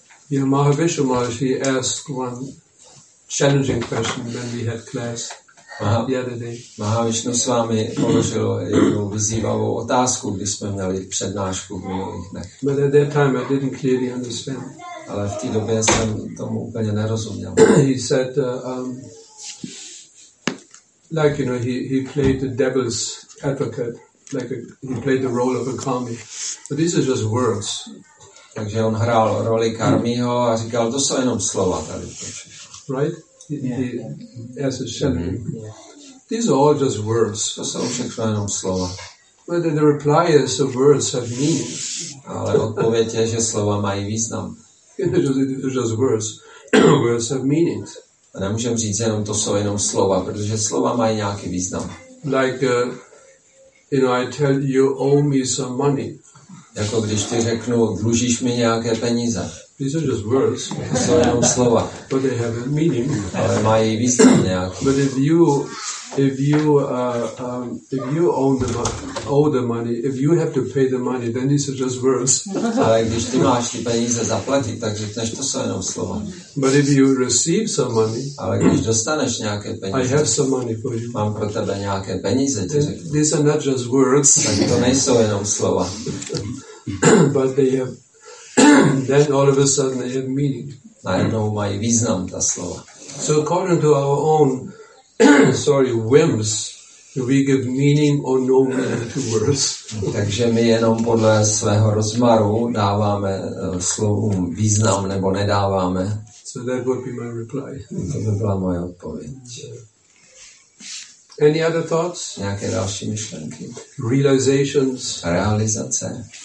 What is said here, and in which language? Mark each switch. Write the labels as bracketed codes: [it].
[en] Yeah, Mahavishnu Maharaj, he asked one challenging question when we had class the other day. [cs] Mahavishnu Swami položil jednu vyzývavou otázku, když jsme měli přednášku v minulých dnech. [en] But at that time I didn't clearly understand. [cs] Ale v té době jsem tomu úplně nerozuměl. [en] He said, like, you know, he played the devil's advocate, like he played the role of a kami. But these are just words. [cs] Takže on hrál roli karmího a říkal, to jsou jenom slova tady. [en] Right? Yeah. As a shepherd. Yeah. These are all just words. [cs] To jsou všechno jenom slova. [en] But the reply is the words have meaning. [cs] Ale odpověď je, že slova mají význam. [en] Just words. Words have meaning. [cs] A nemůžem říct, že jenom to jsou jenom slova, protože slova mají nějaký význam. [en] Like, you know, I tell you, owe me some money. [cs] Jako když ti řeknu, dlužíš mi nějaké peníze. [en] These are just words. [cs] To jsou jenom slova. [en] But they have a meaning. [cs] Ale mají význam nějaký. [en] But if you If you if you own the owe the money, if you have to pay the money, then these are just words. [cs] Ale když ty máš ty peníze zaplatit, tak řekneš, to jsou jenom slova. [en] But if you receive some money, [cs] ale když dostaneš nějaké peníze, [en] I have some money for you. [cs] Mám pro tebe nějaké peníze, ty řekni. [en] These are not just words. [cs] Tak to nejsou jenom slova. [en] But they have then all of a sudden they have meaning. [cs] Najednou mají význam ta slova. [en] So according to our own whims, we give meaning or no meaning to words. [cs] Takže my jenom podle svého rozmaru dáváme slovům význam nebo nedáváme. [en] So that would be my reply. [cs] To by byla moje odpověď. [en] Any other thoughts? [cs] Nějaké další myšlenky? [en] Realizations. [cs] Realizace.